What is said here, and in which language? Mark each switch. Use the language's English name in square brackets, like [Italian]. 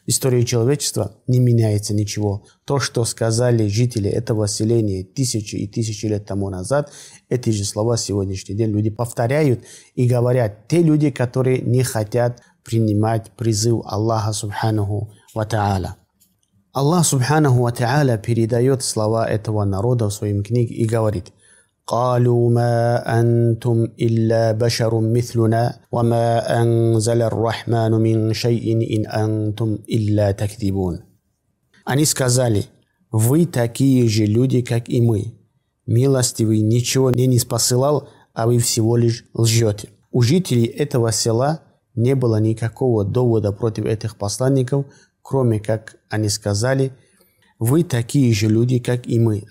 [Russian] История человечества не меняется ничего. То, что сказали жители этого селения тысячи и тысячи лет тому назад, эти же слова в сегодняшний день люди повторяют и говорят те люди, которые не хотят принимать призыв Аллаха Субхану ва Тааля. Аллах Субхану ва Тааля передает слова этого народа в своем книге и говорит: [Arabic] قالوا ما أنتم إلا بشر مثلنا وما أنزل الرحمن من شيء إن أنتم إلا تكذبون. [Russian] Они сказали: «Вы такие же люди, как и мы. Милостивый ничего не ниспосылал, а вы всего лишь лжете». У жителей этого села не было никакого довода против этих посланников, кроме как они сказали: «Вы такие же люди, как и мы».